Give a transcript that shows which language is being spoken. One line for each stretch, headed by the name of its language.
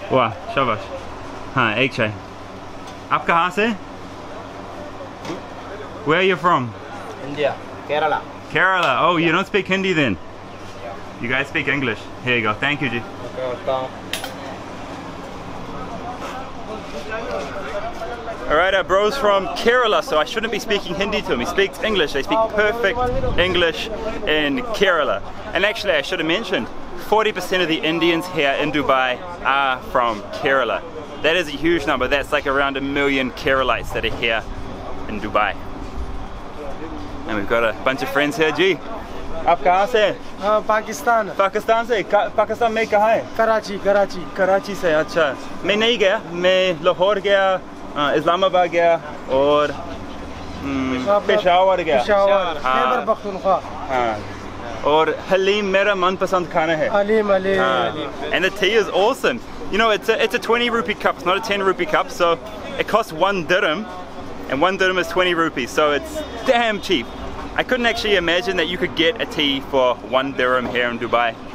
Hindi: Wow, शाबाश. हाँ, egg चाय. आप कहाँ से?
English: Where are you from? India, Kerala. Kerala, oh yeah. You don't speak Hindi then? Yeah. You guys speak English. Here you go, thank you, Ji. Okay, all right, our bro's from Kerala, so I shouldn't be speaking Hindi to him. He speaks English. They speak perfect English in Kerala. And actually, I should have mentioned, 40% of the Indians here in Dubai are from Kerala. That is a huge number. That's like around 1 million Keralites that are here in Dubai. And we've got a bunch of friends here, G.
Hindi: आप कहाँ से? Pakistan. Pakistan से? पाकिस्तान में कहाँ है? Karachi. Karachi से, अच्छा. मैं नहीं गया. मैं लाहौर गया, इस्लामाबाद गया, और पेशावर गया. Peshawar. Khyber Pakhtunkhwa. और हलीम मेरा मनपसंद खाना है. Haleem.
English: And the tea is awesome. You know, it's a 20 rupee cup, it's not a 10 rupee cup, so it costs 1 dirham. And 1 dirham is 20 rupees, so it's damn cheap. I couldn't actually imagine that you could get a tea for 1 dirham here in Dubai.